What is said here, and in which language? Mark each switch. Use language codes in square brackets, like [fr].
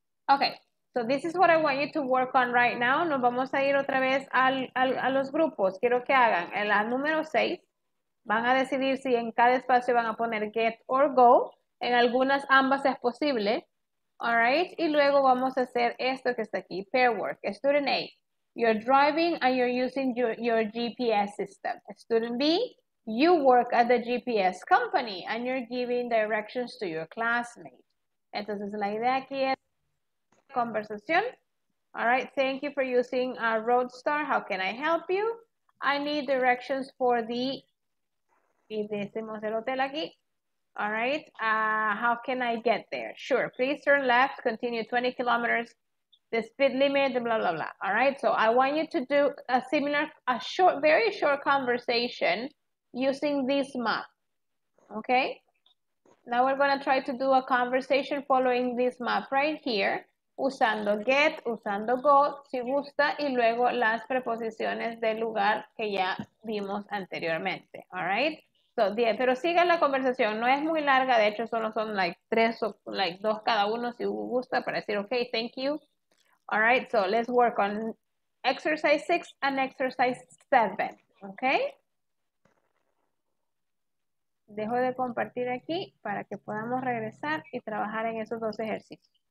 [en] Okay, so this is what I want you to work on right now. [es] Nos vamos a ir otra vez a los grupos. Quiero que hagan en la número 6. Van a decidir si en cada espacio van a poner get or go. En algunas ambas es posible. All right, y luego vamos a hacer esto que está aquí. [en] Pair work. Student A, you're driving and you're using your GPS system. Student B, you work at the GPS company and you're giving directions to your classmate. Entonces la idea aquí es conversación. All right, thank you for using Roadstar. How can I help you? I need directions for the, y decimos el hotel aquí. All right, how can I get there? Sure, please turn left, continue 20 kilometers, the speed limit, blah, blah, blah. All right, so I want you to do a similar, very short conversation using this map. Okay, now we're going to try to do a conversation following this map right here. [es] Usando get, usando go, si gusta, y luego las preposiciones del lugar que ya vimos anteriormente. All right? So, pero sigan la conversación, no es muy larga, de hecho solo son like tres o like dos cada uno si gusta para decir okay, thank you. [en] All right, so let's work on exercise 6 and exercise 7, okay? [es] Dejo de compartir aquí para que podamos regresar y trabajar en esos dos ejercicios.